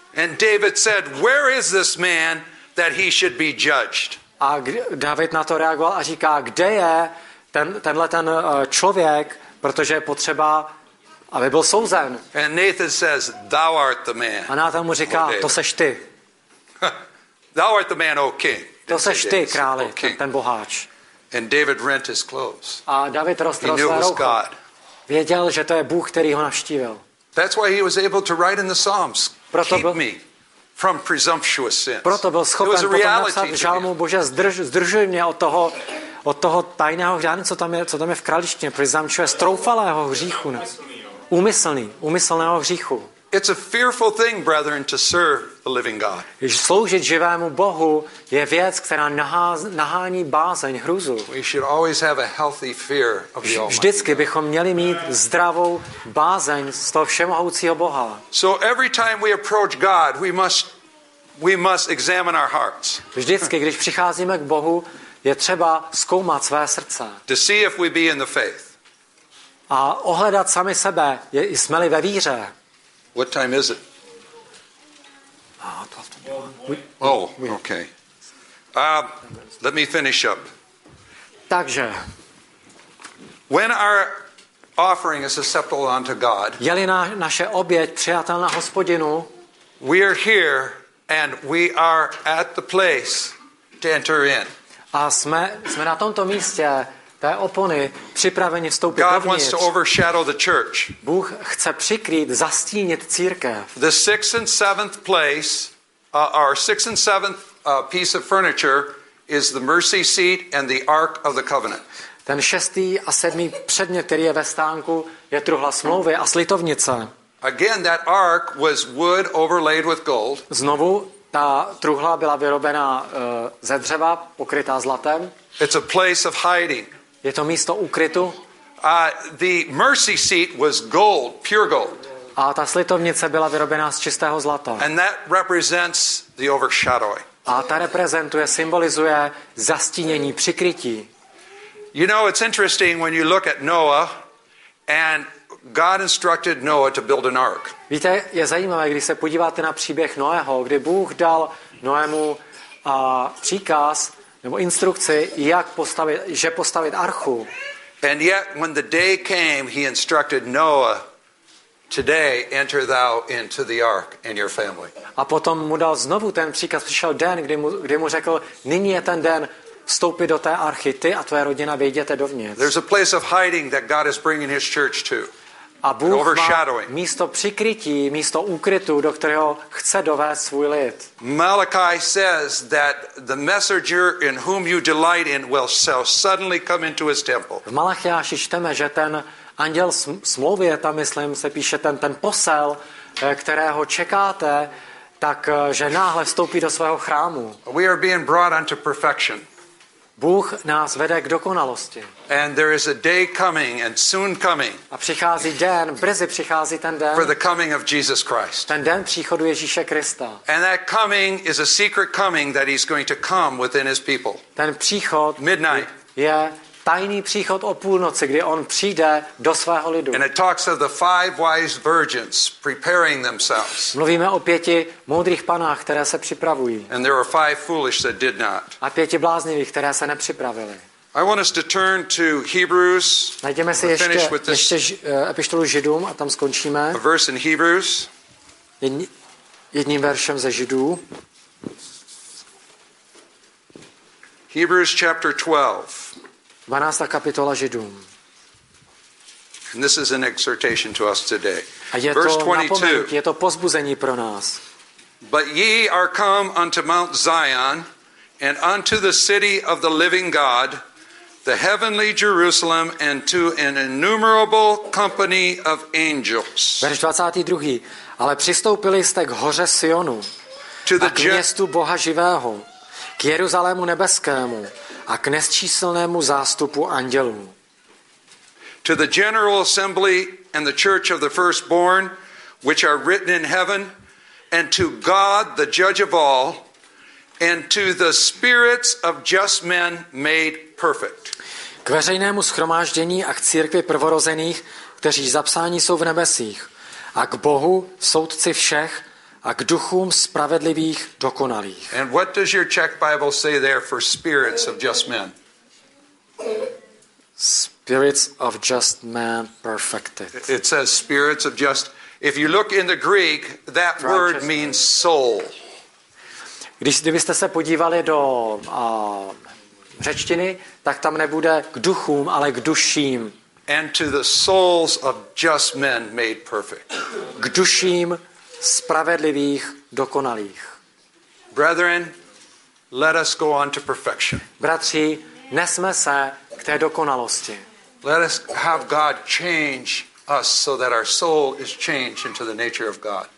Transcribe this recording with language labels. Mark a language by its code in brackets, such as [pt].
[en] And David said, "Where is this man that he should be judged?" [cs] A David na to reagoval a říká, kde je tenhle člověk, protože je potřeba, aby byl souzen. [en] And Nathan says, "Thou art the man." [cs] A Nathan mu říká, to seš ty. [en] Thou art the man, O king. [cs] To seš ty, králi, ten boháč. [en] And David rent his clothes. [cs] A David roztrhl své rouchy. Věděl, že to je Bůh, který ho navštívil. [en] That's why he was able to write in the Psalms. Keep me from presumptuous sins. [cs] Proto byl schopen potom napsat v žalmu, Bože, zdržuj mě od toho tajného hřánu, co tam je v králištině, presumptuous, troufalého hříchu. Úmyslného hříchu. [en] It's a fearful thing, brethren, to serve the living God. [cs] Sloužit živému Bohu je věc, která nahání bázeň, hrůzu. [en] We should always have a healthy fear of the Almighty. [cs] Vždycky bychom měli mít zdravou bázeň z toho všemohoucího Boha. [en] So every time we approach God, we must examine our hearts. [cs] Vždycky, když přicházíme k Bohu, je třeba zkoumat své srdce. [en] To see if we be in the faith. [cs] A ohledat sami sebe, jsme-li ve víře. [en] What time is it? Oh, 12:21. Oh, okay. Let me finish up. [cs] Takže. [en] When our offering is acceptable unto God, [cs] je-li naše oběť přijatelná Hospodinu, [en] we are here and we are at the place to enter in. [cs] A jsme na tomto místě té opony připraveni vstoupit [en] God [cs] dovnitř. [en] Wants to overshadow the church. [cs] Bůh chce přikrýt, zastínit církev. [en] The sixth and seventh place, our sixth and seventh piece of furniture is the mercy seat and the ark of the covenant. [cs] Ten šestý a sedmý předmět, který je ve stánku, je truhla smlouvy a slitovnice. [en] Again, that ark was wood overlaid with gold. [cs] Znovu ta truhla byla vyrobena ze dřeva, pokrytá zlatem. [en] It's a place of hiding. [cs] Je to místo ukrytu. [en] The mercy seat was gold, pure gold. [cs] A ta slitovnice byla vyrobená z čistého zlata. [en] And that represents the overshadowing. [cs] A ta reprezentuje, symbolizuje zastínění, přikrytí. [en] You know, it's interesting when you look at Noah and God instructed Noah to build an ark. [cs] Víte, je zajímavé, když se podíváte na příběh Noého, kdy Bůh dal Noému příkaz nebo instrukci, jak postavit archu. [en] And yet when the day came, he instructed Noah, today enter thou into the ark and your family. [cs] A potom mu dal znovu ten příkaz, přišel den, kdy mu řekl, nyní je ten den vstoupit do té archy, ty a tvoje rodina vejděte dovnitř. [en] There's a place of hiding that God is bringing his church to. [cs] A Bůh má místo přikrytí, místo úkrytu, do kterého chce dovést svůj lid. [en] Malachi says that the messenger in whom you delight in will suddenly come into his temple. [cs] V Malachiáši čteme, že ten anděl smlouvy, tam myslím, se píše ten posel, kterého čekáte, tak že náhle vstoupí do svého chrámu. [en] We are being brought unto perfection. [cs] Bůh nás vede k dokonalosti. [en] And there is a day coming and soon coming. [cs] A přichází den, brzy přichází ten den. [en] For the coming of Jesus Christ. [cs] Ten den příchodu Ježíše Krista. [en] And that coming is a secret coming that he's going to come within his people. [cs] Ten příchod [en] midnight. [cs] Je tajný příchod o půlnoci, kdy on přijde do svého lidu. [en] And it talks of the five wise virgins preparing themselves. [cs] Mluvíme o pěti moudrých panách, které se připravují. [en] And there are five foolish that did not. [cs] A pěti bláznivých, které se nepřipravili. [en] I want us to turn to Hebrews. [cs] Najdeme si ještě epištolu Židům a tam skončíme. [en] A verse in Hebrews. [cs] Jedním veršem ze Židů. [en] Hebrews chapter 12. [cs] 12. kapitola Židům. [en] And this is an exhortation to us today. [cs] A je verse 22. Napomínky, je to povzbuzení pro nás. [en] But ye are come unto Mount Zion and unto the city of the living God, the heavenly Jerusalem, and to an innumerable company of angels. [cs] Verš 22. Ale přistoupili jste k hoře Sionu, [en] to the [cs] městu Boha živého, k Jeruzalému nebeskému, a k nesčíslnému zástupu andělů. [en] To the general assembly and the church of the firstborn, which are written in heaven, and to God, the judge of all, and to the spirits of just men made perfect. [cs] K veřejnému shromáždění a k církvi prvorozených, kteří zapsáni jsou v nebesích, a k Bohu, soudci všech, a k duchům spravedlivých dokonalých. [en] And what does your Czech Bible say there for spirits of just men? Spirits of just men perfected. It says spirits of just. If you look in the Greek, that word means soul. [cs] Kdybyste se podívali do řečtiny, tak tam nebude k duchům, ale k duším. [en] And to the souls of just men made perfect. [cs] K duším spravedlivých dokonalých. [en] Brethren, let us go on to perfection. [cs] Bratři, nesme se k té dokonalosti. [en] Let us have God change us so that our soul is changed into the nature of God.